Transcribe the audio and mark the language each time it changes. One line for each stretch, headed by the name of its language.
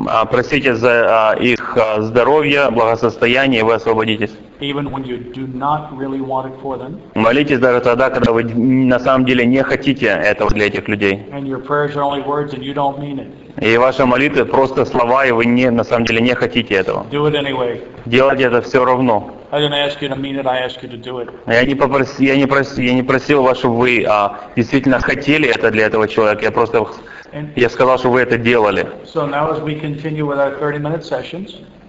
Russian: Просите за их здоровье, благосостояние, и вы освободитесь.
English: Even when you do not really want it for them.
Russian: Молитесь даже тогда, когда вы на самом деле не хотите этого для этих людей.
English: And your prayers are only words, and you don't mean it.
Russian: И ваши молитвы просто слова, и вы не на самом деле не хотите этого.
English: Do it anyway.
Russian: Делать это все равно.
English: I didn't ask you to mean it. I asked you to do it.
Russian: Я не просил вас, чтобы вы действительно хотели это для этого человека. Я сказал, что вы это делали.
English: So now, as we continue with our 30-minute sessions.